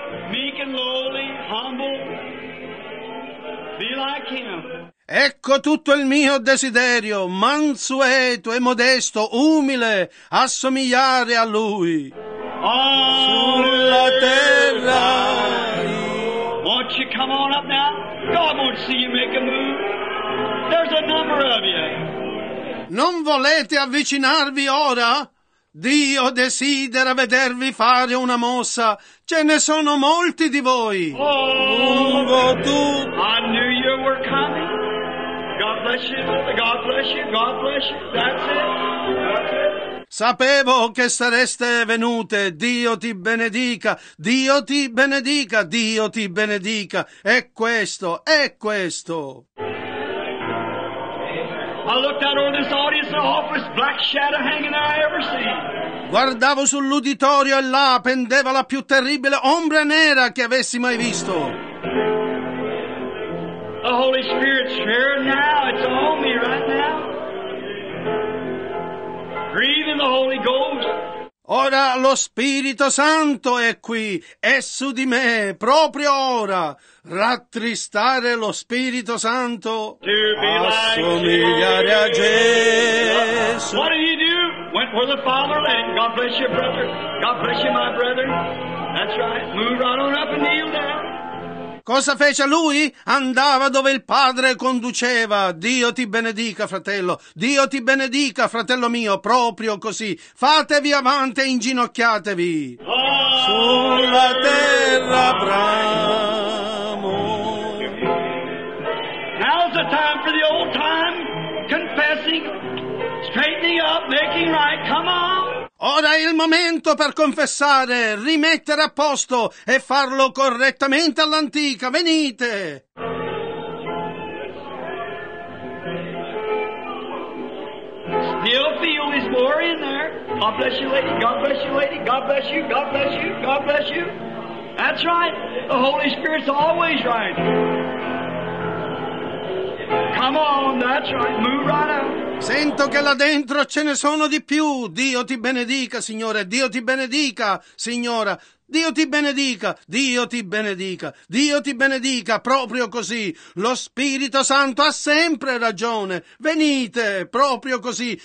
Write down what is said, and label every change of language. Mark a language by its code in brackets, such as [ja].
[en] Meek and lowly, humble, be like him. [it] Ecco tutto il mio desiderio, mansueto e modesto, umile, assomigliare a Lui. Sulla terra. [en] Won't you come on up now? God won't see you make a move. There's a number of you. [it] Non volete avvicinarvi ora? Dio desidera vedervi fare una mossa. Ce ne sono molti di voi. Oh, lungo tu. [en] I knew you were coming. God bless you. God bless you. God bless you. That's it. [it] Sapevo che sareste venute. Dio ti benedica. Dio ti benedica. Dio ti benedica. È questo. È questo. [en] I looked out over this audience, the awfulest black shadow hanging I ever seen. [it] Guardavo sull'uditorio e là pendeva la più terribile ombra nera che avessi mai visto. [en] The Holy Spirit's here now, it's on me right now. Breathe in the Holy Ghost. [it] Ora lo Spirito Santo è qui, è su di me, proprio ora. Rattristare lo Spirito Santo, assomigliare a Gesù. [en] What did he do? Went where the Father led. God bless you, brother. God bless you, my brother. That's right. Move right on up and kneel down. [it] Cosa fece lui? Andava dove il Padre conduceva. Dio ti benedica, fratello. Dio ti benedica, fratello mio. Proprio così. Fatevi avanti e inginocchiatevi. Sulla terra bramo. [en] Now's the time for the old time. Confessing. Straightening up. Making right. Come on. [it] Ora è il momento per confessare, rimettere a posto e farlo correttamente all'antica. Venite! [en] Still feel his glory in there. God bless you, lady. God bless you, lady. God bless you. God bless you. God bless you. That's right. The Holy Spirit's always right. Come on, that's right. Move right out. [it] Sento che là dentro ce ne sono di più. Dio ti benedica, Signore. Dio ti benedica, Signora. Dio ti benedica. Dio ti benedica. Dio ti benedica. Proprio così. Lo Spirito Santo ha sempre ragione. Venite, proprio così.